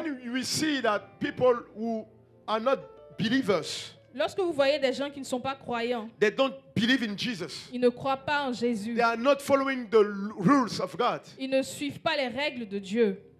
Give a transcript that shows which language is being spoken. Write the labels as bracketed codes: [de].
[en] when we see that people who are not believers, [fr] lorsque vous voyez des gens qui ne sont pas croyants, [en] they don't believe in Jesus. [fr] Ils ne croient pas en Jésus. [en] They are not following the rules of God. [fr] Ils ne suivent pas les règles de Dieu.